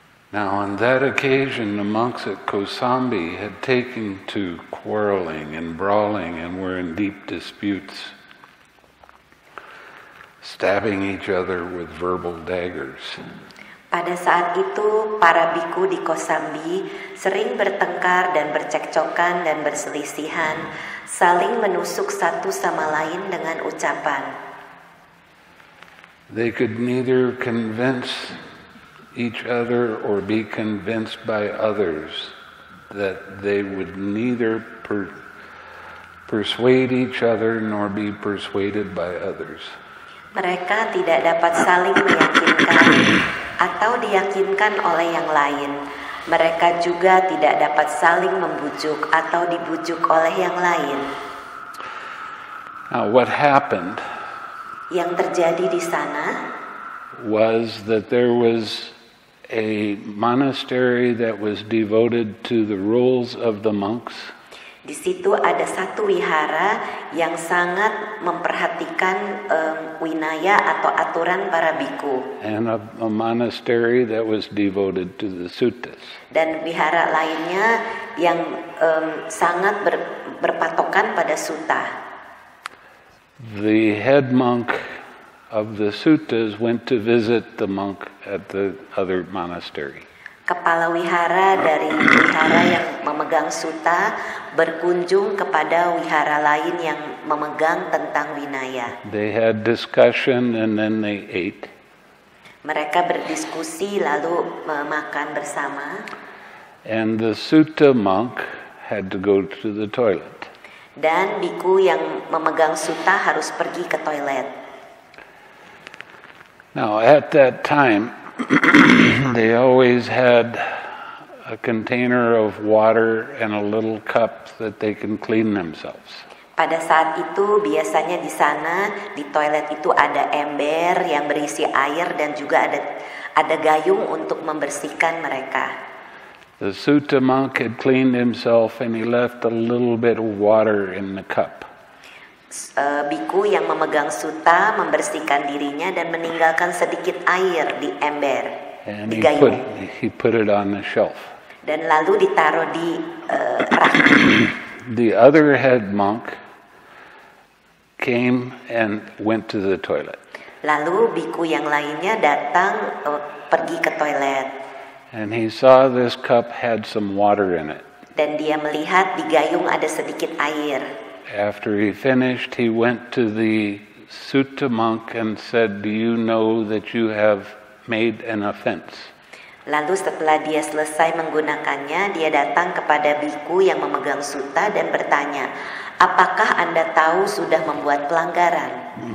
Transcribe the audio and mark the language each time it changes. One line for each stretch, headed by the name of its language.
English: Now, on that occasion, the monks at Kosambi had taken to quarreling and brawling and were in deep disputes, stabbing each other with verbal daggers.
Indonesian: Pada saat itu, para biku di Kosambi sering bertengkar dan bercekcokan dan berselisihan, saling menusuk satu sama lain dengan ucapan.
English: They could neither convince each other or be convinced by others that they would neither persuade each other nor be persuaded by others.
Indonesian: Mereka tidak dapat saling meyakinkan atau diyakinkan oleh yang lain. Mereka juga tidak dapat saling membujuk atau dibujuk oleh yang lain.
English: Now, what happened?
Indonesian: Yang terjadi di sana
English: was that there was a monastery that was devoted to the rules of the monks.
Indonesian: Di situ ada satu wihara yang sangat memperhatikan winaya atau aturan para bhikkhu.
English: And a monastery that was devoted to the suttas.
Indonesian: Dan wihara lainnya yang sangat berpatokan pada sutta.
English: The head monk of the suttas went to visit the monk at the other monastery.
Indonesian: Kepala wihara dari wihara yang memegang sutta berkunjung kepada wihara lain yang memegang tentang winaya.
English: They had discussion and then they ate.
Indonesian: Mereka berdiskusi lalu makan bersama.
English: And the sutta monk had to go to the toilet.
Indonesian: Dan bhikkhu yang memegang sutta harus pergi ke toilet.
English: Now at that time, they always had a container of water and a little cup that they can clean themselves.
Indonesian: Pada saat itu biasanya di sana di toilet itu ada ember yang berisi air dan juga ada gayung untuk membersihkan mereka.
English: The Sutta monk had cleaned himself and he left a little bit of water in the cup.
Indonesian: Bhikkhu yang memegang sutta membersihkan dirinya dan meninggalkan sedikit air di ember,
English: and
Indonesian: di gayung.
English: He put it on the shelf.
Indonesian: Dan lalu ditaruh di rak.
English: The other head monk came and went to the toilet.
Indonesian: Lalu bhikkhu yang lainnya datang pergi ke toilet.
English: And he saw this cup had some water in it.
Indonesian: Dan dia melihat di gayung ada sedikit air.
English: After he finished, he went to the Sutta monk and said, "Do you know that you have made an offense?"
Indonesian: Lalu setelah dia selesai menggunakannya, dia datang kepada bhikkhu yang memegang sutta dan bertanya, "Apakah Anda tahu sudah membuat pelanggaran?"